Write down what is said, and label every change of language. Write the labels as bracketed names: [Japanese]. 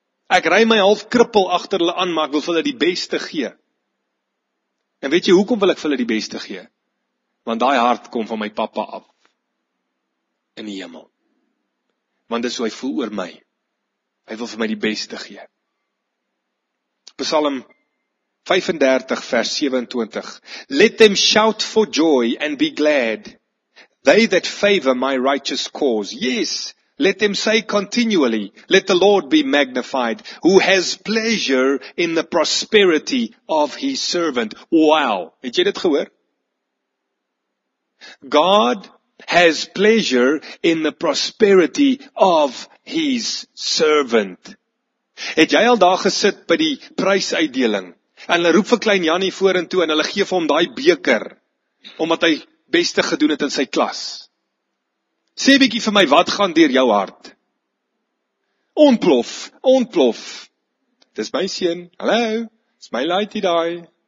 [Afrikaans] Ek ry my half krippel agter hulle aan, maar ek wil vir hulle die beste gee. En weet jy, hoekom wil ek vir hulle die beste gee? Want daai hart kom van my pappa af. In die hemel. Want dis hoe hy voel oor my. Hy wil vir my die beste gee. Psalm 35 vers 27. [English] Let them shout for joy and be glad. They that favor my righteous cause. Yes, let them say continually, let the Lord be magnified, who has pleasure in the prosperity of his servant. [Afrikaans] Wow, het jy dit gehoor? [English] God has pleasure in the prosperity of his servant. [Afrikaans] Het jy al daar gesit by die prysuitdeling? En hulle roep vir klein Jannie voor en toe en hulle gee vir hom daai beker, omdat hy beste gedoen het in sy klas. Sê bietjie vir my, wat gaan deur jou hart? Ontplof, ontplof. Dis my seun, hallo, dis my laaitie daai.